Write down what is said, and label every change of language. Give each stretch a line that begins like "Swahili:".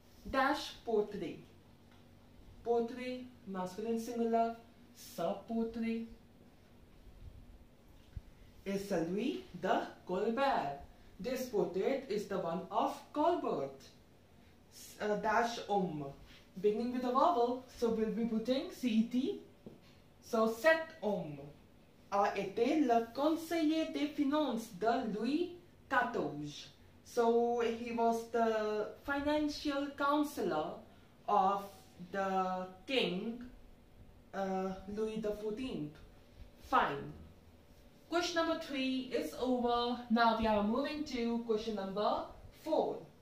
English: Dash portrait. Portrait, masculine singular, sub portrait. Is
French: celui de Colbert.
English: This portrait is the one of Colbert. Dash homme. Beginning with a vowel, so we'll be putting CET.
French: So cet homme a été le conseiller des finances de Louis XIV.
English: So he was the financial counselor of the king, Louis XIV. Fine. Question number 3 is over. Now we are moving to question number 4.